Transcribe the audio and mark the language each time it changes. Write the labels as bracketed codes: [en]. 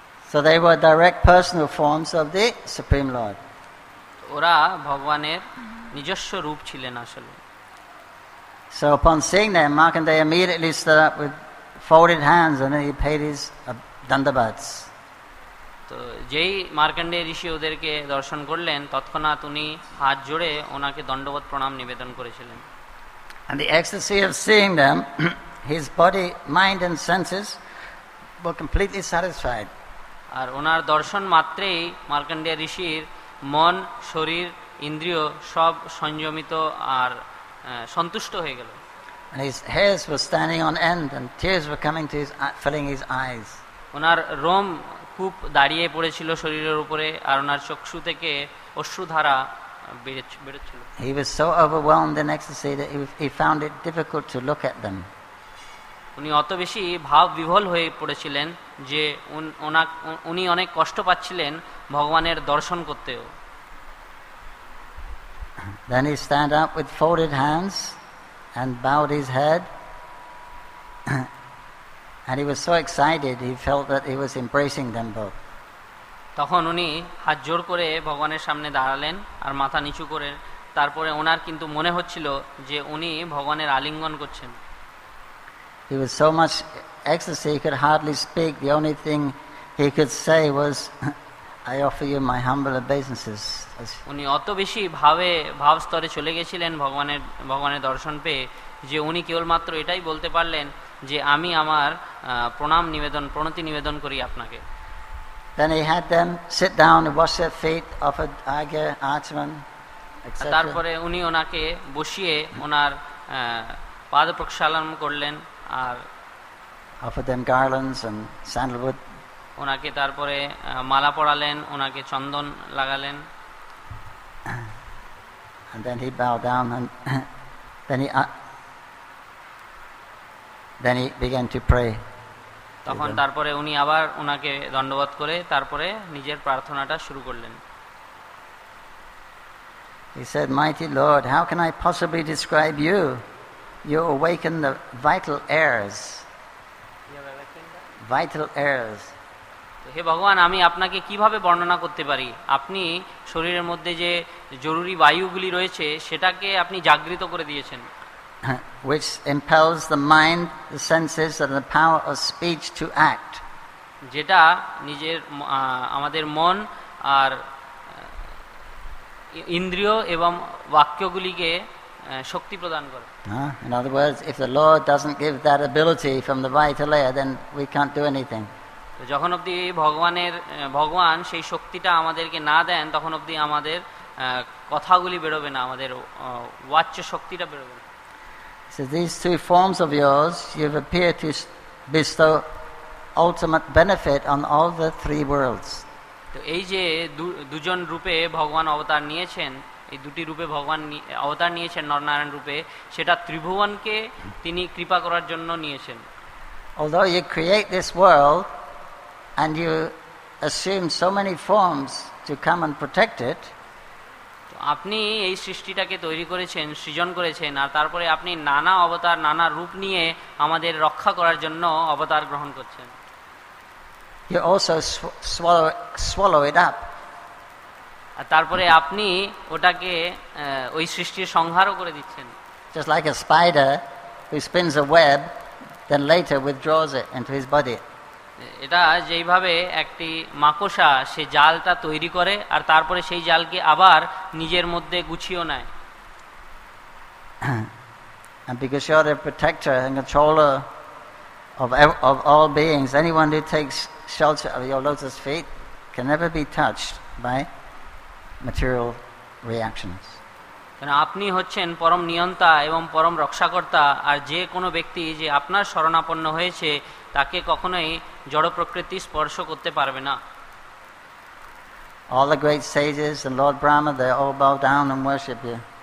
[en] So they were direct personal forms of the Supreme Lord. [bn] ওরা ভগবানের নিজস্ব রূপ ছিলেন আসলে. [en] So upon seeing them, Markandeya immediately stood up with folded hands and he paid his dandavats. [bn] তো যেই মার্কণ্ডেয় ঋষি ওদেরকে দর্শন করলেন তৎক্ষণাৎ উনি হাত জোড়ে ওনাকে দণ্ডবত প্রণাম নিবেদন করেছিলেন. [en] And the ecstasy of seeing them, his body, mind and senses were completely satisfied. [bn] আর ওনার দর্শন মাত্রেই মার্কণ্ডেয় ঋষির মন শরীর ইন্দ্রিয় সব সংযমিত আর সন্তুষ্ট হয়ে গেল. [en] And his hairs were standing on end and tears were coming to his filling his eyes. [bn] Owner Rome খুব দাঁড়িয়ে পড়েছিল শরীরের উপরে আর ওনার চক্ষু থেকে অশ্রুধারা বেরোচ্ছিল. [en] He was so overwhelmed in ecstasy that he found it difficult to look at them. [bn] উনি অত বেশি ভাব বিভল হয়ে পড়েছিলেন যে উনি অনেক কষ্ট পাচ্ছিলেন ভগবানের দর্শন করতেও. [en] Then he stand up with folded hands and bowed his head. And he was so excited, he felt that he was embracing them both. [bn] তখন উনি হাত জোর করে ভগবানের সামনে দাঁড়ালেন আর মাথা নিচু করে তারপরে ওনার কিন্তু মনে হচ্ছিল যে উনি ভগবানের আলিঙ্গন করছেন. [en] He was so much ecstasy, he could hardly speak. The only thing he could say was, I offer you my humble obeisances. [bn] উনি অত বেশি ভাবে ভাব স্তরে চলে গেছিলেন ভগবানের দর্শন পেয়ে যে উনি কেবলমাত্র এটাই বলতে পারলেন যে আমি আমার প্রণাম নিবেদন প্রণতি নিবেদন করি আপনাকে. [en] Then he had them sit down and wash their feet, offered agya, achman, etc. [bn] তারপরে উনি ওনাকে বসিয়ে ওনার পাদ প্রক্ষালন করলেন আর [en] offered them garlands and sandalwood. [bn] ওনাকে তারপরে মালা পরালেন ওনাকে চন্দন লাগালেন. [en] And then he bowed down and then he began to pray. [bn] তখন তারপরে উনি আবার ওনাকে দণ্ডবত করে তারপরে নিজের প্রার্থনাটা শুরু করলেন. [en] He said, Mighty Lord, how can I possibly describe you? You awaken the vital airs. Vital airs. [bn] হে ভগবান, আমি আপনাকে কিভাবে বর্ণনা করতে পারি? আপনি শরীরের মধ্যে যে জরুরি বায়ুগুলি রয়েছে সেটাকে আপনি জাগ্রত করে দিয়েছেন. [en] Which impels the mind, the senses and the power of speech to act. [bn] যেটা নিজের আমাদের মন আর ইন্দ্রিয় এবং বাক্যগুলিকে শক্তি প্রদান করে. [en] In other words, if the Lord doesn't give that ability from the vital layer, then we can't do anything. [bn] যখন অবধি ভগবান সেই শক্তিটা আমাদেরকে না দেন তখন অবধি আমাদের কথাগুলি বেরোবে না, আমাদের বাচ্য শক্তিটা বেরোবে না. [en] So these three forms of yours, you've appeared to bestow ultimate benefit on all the three worlds. [bn] তো এই যে দুজন রূপে ভগবান অবতার নিয়েছেন, এই দুটি রূপে ভগবান অবতার নিয়েছেন নরনারায়ণ রূপে, সেটা ত্রিভুবনকে তিনি কৃপা করার জন্য নিয়েছেন. [en] Although you create this world and you assume so many forms to come and protect it, [bn] আপনি এই সৃষ্টিটাকে তৈরি করেছেন, সৃজন করেছেন আর তারপরে আপনি নানা অবতার নানা রূপ নিয়ে আমাদের রক্ষা করার জন্য অবতার গ্রহণ করছেন. [en] You also swallow it up. [bn] আর তারপরে আপনি ওটাকে ওই সৃষ্টির সংহারও করে দিচ্ছেন. [en] Just like a spider who spins a web then later withdraws it into his body. [bn] এটা যেইভাবে একটি মাকোসা সে জালটা তৈরি করে আর তারপরে সেই জালকে আবার নিজের মধ্যে গুছিয়ে নেয়. [en] And because you are a protector and controller of all beings, anyone who takes shelter of your lotus feet can never be touched by material reactions. [bn] আপনি হচ্ছেন পরম নিয়ন্তা এবং পরম রক্ষাকর্তা আর যে কোনো ব্যক্তি যে আপনার শরণাপন্ন হয়েছে তাকে কখনোই জড় প্রকৃতি স্পর্শ করতে পারবে না. [en] All the great sages and Lord Brahma, they all bow down and worship you.